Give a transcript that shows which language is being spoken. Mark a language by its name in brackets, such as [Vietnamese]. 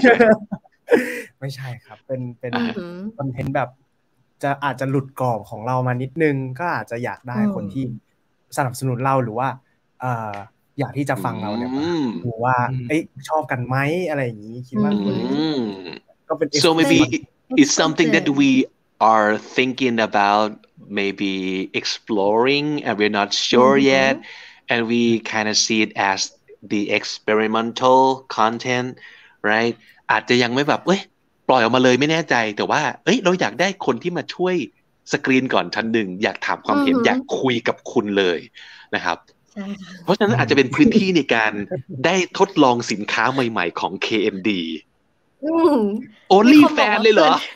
[Thai] ครับเป็นคอนเทนต์แบบจะอาจจะหลุดกรอบของเรามานิดนึงก็อาจจะอยากได้คนที่สนับสนุนเราหรือว่าอยากที่จะฟังเราเนี่ยหรือว่าเอ้ชอบกันไหมอะไรอย่างงี้คิดว่า [English] ก็เป็น so maybe it's something that we are thinking aboutMaybe exploring, and we're not sure yet, and we kind of see it as the experimental content, right? [Thai] อาจจะยังไม่แบบเอ้ยปล่อยออกมาเลยไม่แน่ใจแต่ว่าเอ้ยเราอยากได้คนที่มาช่วยสกรีนก่อนชั้นหนึ่งอยากถามความเห็นอยากคุยกับคุณเลยนะครับเพราะฉะนั้นอาจจะเป็นพื้นที่ในการได้ทดลองสินค้าใหม่ๆของ KMDonly fan เลยเหรอ